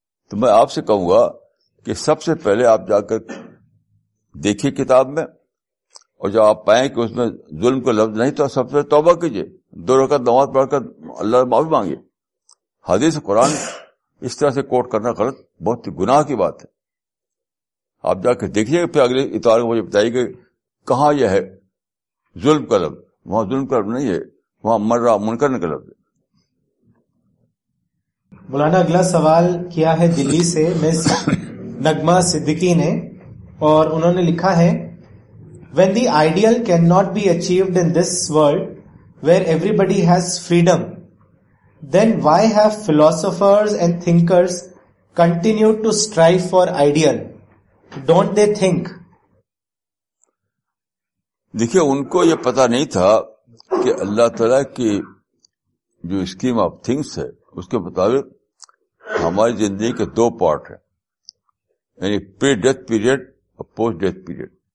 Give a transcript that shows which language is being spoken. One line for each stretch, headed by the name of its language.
Urdu: تو میں آپ سے کہوں گا کہ سب سے پہلے آپ جا کر دیکھیے کتاب میں, اور جب آپ پائیں کہ اس میں ظلم کا لفظ نہیں تو سب سے توبہ کیجئے, دو رکعت نماز پڑھ کر اللہ معافی مانگیے. حدیث قرآن اس طرح سے کوٹ کرنا غلط, بہت ہی گناہ کی بات ہے. آپ جا کے دیکھیے, پھر اگلے اتوار کو مجھے بتائیے کہ کہاں یہ ہے ظلم کا لفظ. وہاں ظلم کا لفظ نہیں ہے, وہاں مر رہا منکرن کا لفظ ہے. مولانا اگلا سوال کیا ہے دلی سے, مس نغمہ صدیقی نے, اور انہوں نے لکھا ہے,
English: when the ideal cannot be achieved in this world where everybody has freedom, then why have philosophers and thinkers continued to strive for ideal? Don't they think?
Urdu: دیکھیے, ان کو یہ پتا نہیں تھا کہ اللہ تعالیٰ کی جو اسکیم آف تھنگس ہے اس کے مطابق ہماری زندگی کے دو پارٹ ہیں, یعنی پری ڈیتھ پیریڈ اور پوسٹ ڈیتھ پیریڈ.